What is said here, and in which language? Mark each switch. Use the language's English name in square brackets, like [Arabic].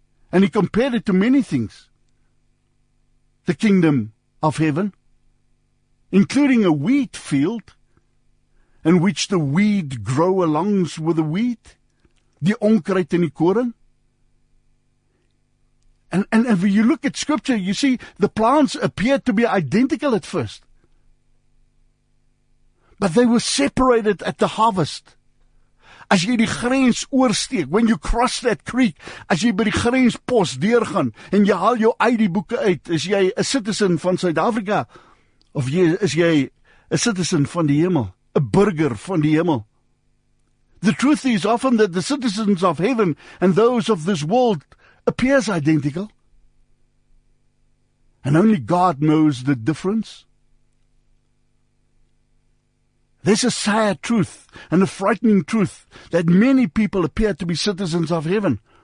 [English] And he compared it to many things. The kingdom of heaven, including a wheat field, in which the weed grow along with the wheat, the [Afrikaans] onkruit en die koring. [English] And if you look at scripture, you see the plants appear to be identical at first. But they were separated at the harvest. [Afrikaans] As jy die grens oorsteek, [English] when you cross that creek, [Afrikaans] as jy by die grenspos deurgaan en jy haal jou ID-boeke uit, is jy 'n citizen van Suid-Afrika of is jy 'n citizen van die hemel, 'n burger van die hemel? [English] The truth is often that the citizens of heaven and those of this world appears identical. And only God knows the difference. There's a sad truth and a frightening truth that many people appear to be citizens of heaven.